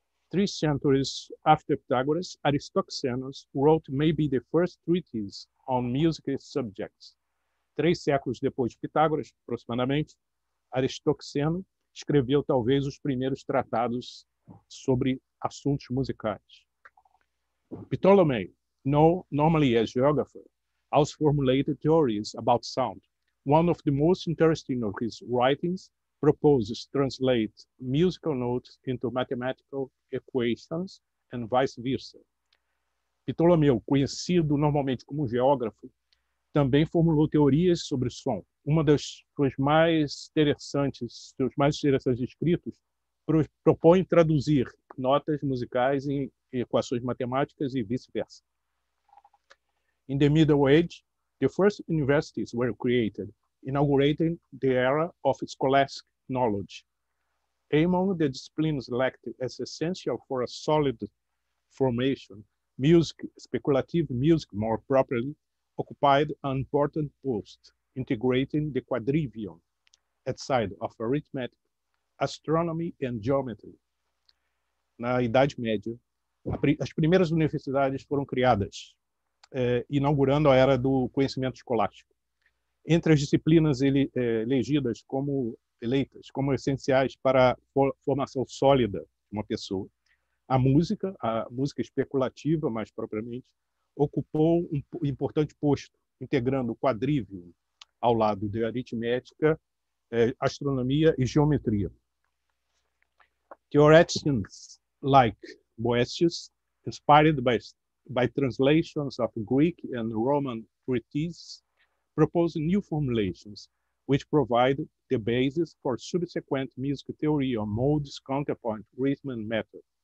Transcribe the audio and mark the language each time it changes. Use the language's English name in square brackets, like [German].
[English] 3 centuries after Pythagoras, Aristoxenos wrote maybe the first treatise on musical subjects. [Portuguese] 3 séculos depois de Pitágoras, aproximadamente, Aristoxeno escreveu talvez os primeiros tratados sobre assuntos musicais. [English] Ptolemy, normally a geographer, also formulated theories about sound. One of the most interesting of his writings proposes translate musical notes into mathematical equations and vice versa. [Portuguese] Ptolomeu, conhecido normalmente como geógrafo, também formulou teorias sobre som. Uma das suas mais interessantes escritos propõe traduzir notas musicais em equações matemáticas e vice-versa. [English] In the Middle Ages, the first universities were created, inaugurating the era of scholastic knowledge. Among the disciplines selected as essential for a solid formation, music, speculative music more properly, occupied an important post, integrating the quadrivium outside of arithmetic, astronomy and geometry. [Portuguese] Na Idade Média, as primeiras universidades foram criadas, inaugurando a era do conhecimento escolástico. Entre as disciplinas eleitas como essenciais para a formação sólida de uma pessoa, a música especulativa, mais propriamente, ocupou um importante posto, integrando o quadrívio ao lado de aritmética, astronomia e geometria. [English] Theoreticians like Boethius, inspired by translations of Greek and Roman treatises, proposed new formulations, which provide the basis for subsequent music theory on modes, counterpoint, rhythm, and method.